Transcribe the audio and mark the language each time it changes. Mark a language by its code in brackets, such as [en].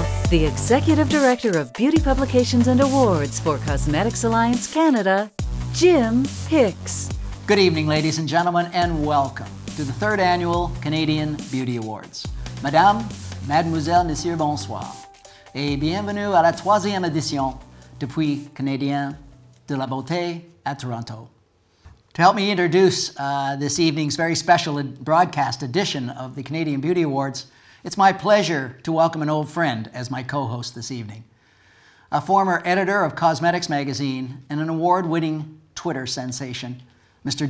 [en] the Executive Director of Beauty Publications and Awards for Cosmetics Alliance Canada, Jim Hicks. Good evening, ladies and gentlemen, and welcome to the third annual Canadian Beauty Awards. [fr] Madame, Mademoiselle, Monsieur, bonsoir. Et bienvenue à la troisième édition depuis Canadien de la Beauté à Toronto. [en] To help me introduce this evening's very special broadcast edition of the Canadian Beauty Awards, it's my pleasure to welcome an old friend as my co-host this evening. A former editor of Cosmetics Magazine and an award-winning Twitter sensation, Mr.